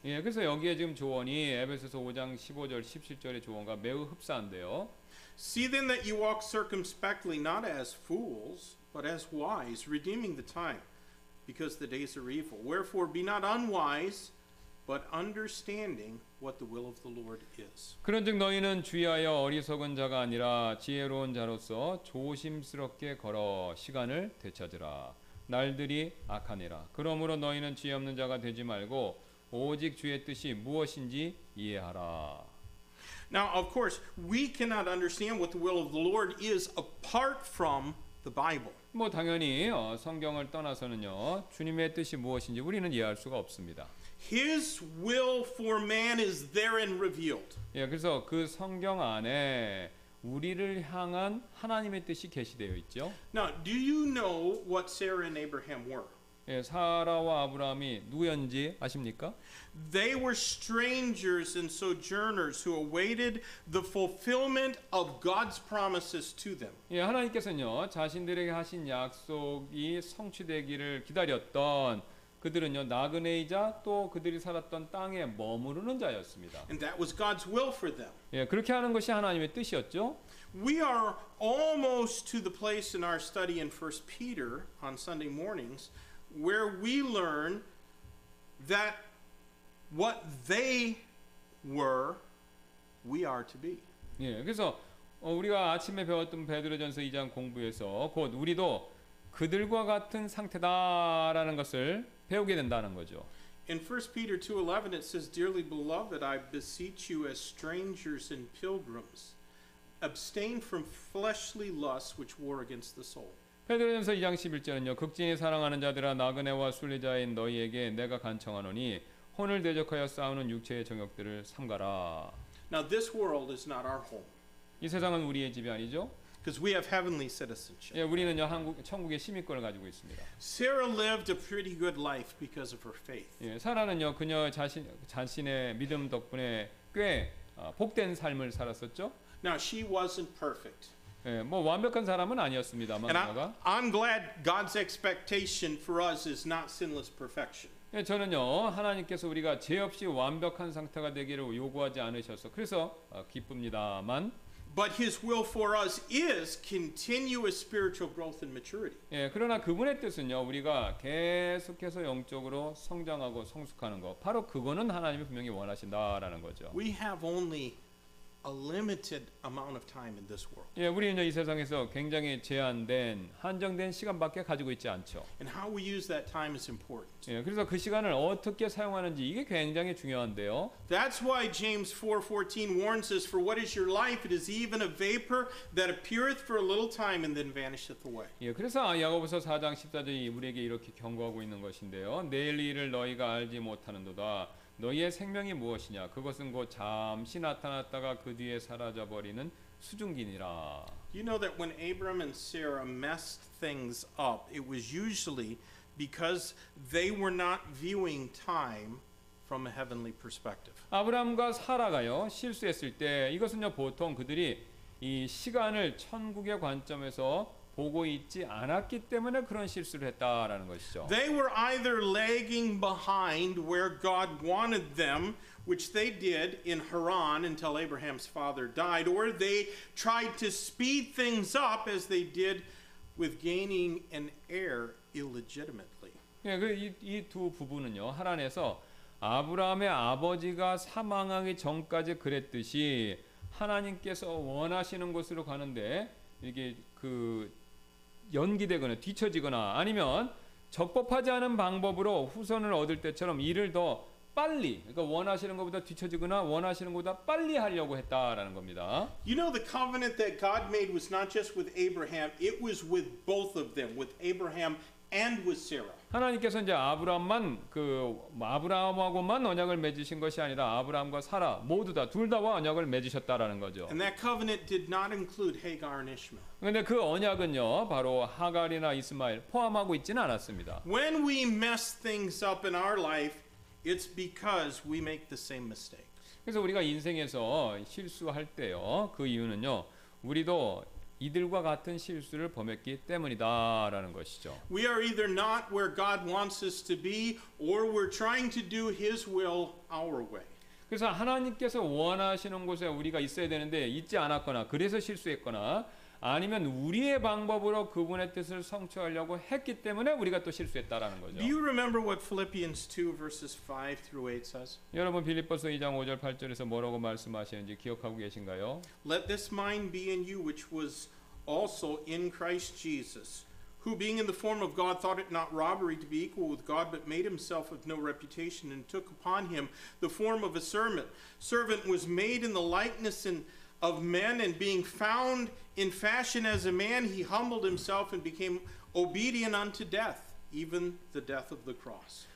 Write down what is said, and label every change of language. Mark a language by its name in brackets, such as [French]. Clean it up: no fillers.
[Korean] 예, 그래서 여기에 지금 조언이 에베소서 5장 15절 17절의 조언과 매우 흡사한데요. [English] See then that you walk circumspectly, not as fools, but as wise, redeeming the time. Because the days are evil. Wherefore, be not unwise, but understanding what the will of the Lord is. [Korean] 그런즉 너희는 주의하여 어리석은 자가 아니라 지혜로운 자로서 조심스럽게 걸어 시간을 되찾으라. 날들이 악하니라. 그러므로 너희는 지혜 없는 자가 되지 말고 오직 주의 뜻이 무엇인지 이해하라. [English] Now, of course, we cannot understand what the will of the Lord is apart from the Bible. [Korean] 뭐 당연히 성경을 떠나서는요 주님의 뜻이 무엇인지 우리는 이해할 수가 없습니다. [English] His will for man is therein revealed. [Korean] 예, 그래서 그 성경 안에 우리를 향한 하나님의 뜻이 계시되어 있죠. [English] Now, do you know what Sarah and Abraham were? [Korean] 예, 사라와 아브라함이 누구였는지 아십니까? [English] They were strangers and sojourners who awaited the fulfillment of God's promises to them. [Korean] 예, 하나님께서는요, 자신들에게 하신 약속이 성취되기를 기다렸던 그들은요 나그네이자 또 그들이 살았던 땅에 머무르는 자였습니다. [English] And that was God's will for them. [Korean] 예, 그렇게 하는 것이 하나님의 뜻이었죠. [English] We are almost to the place in our study in 1 Peter on Sunday mornings where we learn that what they were, we are to be. [Korean] 예, 그래서 우리가 아침에 배웠던 베드로전서 2장 공부에서 곧 우리도 그들과 같은 상태다라는 것을 배우게 된다는 거죠. [English] In 1 Peter 2:11 it says, "Dearly beloved, I beseech you as strangers and pilgrims, abstain from fleshly lusts which war against the soul." [Korean] 베드로전서 2장 11절은요. 극진히 사랑하는 자들아 나그네와 순례자인 너희에게 내가 간청하노니 혼을 대적하여 싸우는 육체의 정욕들을 삼가라. [English] Now this world is not our home. [Korean] 이 세상은 우리의 집이 아니죠. [English] Because we have heavenly citizenship. [Korean] 예, 우리는요 한국 천국의 시민권을 가지고 있습니다. [English] Sarah lived a pretty good life because of her faith. [Korean] 예, 사라는요 그녀 자신의 믿음 덕분에 꽤 복된 삶을 살았었죠. [English] Now she wasn't perfect. [Korean] 예, 뭐 완벽한 사람은 아니었습니다만 그녀가. [English] I'm glad God's expectation for us is not sinless perfection. [Korean] 예, 저는요 하나님께서 우리가 죄 없이 완벽한 상태가 되기를 요구하지 않으셔서 그래서 기쁩니다만. [English] But His will for us is continuous spiritual growth and maturity. [Korean] 예, 그러나 그분의 뜻은요, 우리가 계속해서 영적으로 성장하고 성숙하는 것. 바로 그거는 하나님이 분명히 원하신다라는 거죠. [English] We have only a limited amount of time in this world. [Korean] 예, 우리는요, 이 세상에서 굉장히 제한된, 한정된 시간밖에 가지고 있지 않죠. [English] And how we use that time is important. [Korean] 예, 그래서 그 시간을 어떻게 사용하는지 이게 굉장히 중요한데요. [English] That's why James 4:14 warns us, "For what is your life? It is even a vapor that appeareth for a little time and then vanisheth away." [Korean] 예, 그래서 야고보서 4장 14절이 우리에게 이렇게 경고하고 있는 것인데요. 내일 일을 너희가 알지 못하는도다. 너희의 생명이 무엇이냐? 그것은 곧 잠시 나타났다가 그 뒤에 사라져 버리는 수증기니라. [English] You know that when Abram and Sarah messed things up, it was usually because they were not viewing time from a heavenly perspective. [Korean] 아브라함과 사라가요 실수했을 때 이것은요 보통 그들이 이 시간을 천국의 관점에서 보고 있지 않았기 때문에 그런 실수를 했다라는 것이죠. [English] They were either lagging behind where God wanted them, which they did in Haran until Abraham's father died, or they tried to speed things up as they did with gaining an heir illegitimately. [Korean] 예, 그 이 두 부부는요. 하란에서 아브라함의 아버지가 사망하기 전까지 그랬듯이 하나님께서 원하시는 곳으로 가는데 이게 그 연기되거나 뒤처지거나 아니면 적법하지 않은 방법으로 후손을 얻을 때처럼 일을 더 빨리 그러니까 원하시는 것보다 뒤처지거나 원하시는 것보다 빨리 하려고 했다라는 겁니다. [English] You know the covenant that God made was not just with Abraham, it was with both of them, with Abraham and with Sarah. [Korean] 하나님께서 이제 아브라함만 그 아브라함하고만 언약을 맺으신 것이 아니라 아브라함과 사라 모두 다 둘 다와 언약을 맺으셨다라는 거죠. [English] And that covenant did not include Hagar and Ishmael. [Korean] 근데 그 언약은요, 바로 하갈이나 이스마엘 포함하고 있지는 않았습니다. [English] When we mess things up in our life, it's because we make the same mistakes. [Korean] 그래서 우리가 인생에서 실수할 때요, 그 이유는요, 우리도 이들과 같은 실수를 범했기 때문이다라는 것이죠. [English] We are either not where God wants us to be, or we're trying to do His will our way. [Korean] 그래서 하나님께서 원하시는 곳에 우리가 있어야 되는데 있지 않았거나, 그래서 실수했거나, 아니면 우리의 방법으로 그분의 뜻을 성취하려고 했기 때문에 우리가 또 실수했다라는 거죠. [English] Do you remember what Philippians 2 verses 5 through 8 says? [Korean] 여러분 빌립보서 2장 5절 8절에서 뭐라고 말씀하시는지 기억하고 계신가요? [English] Let this mind be in you which was also in Christ Jesus, who being in the form of God thought it not robbery to be equal with God, but made himself of no reputation and took upon him the form of a servant. Servant was made in the likeness and of men, and being found in fashion as a man, he humbled himself and became obedient unto death, even the death of the cross.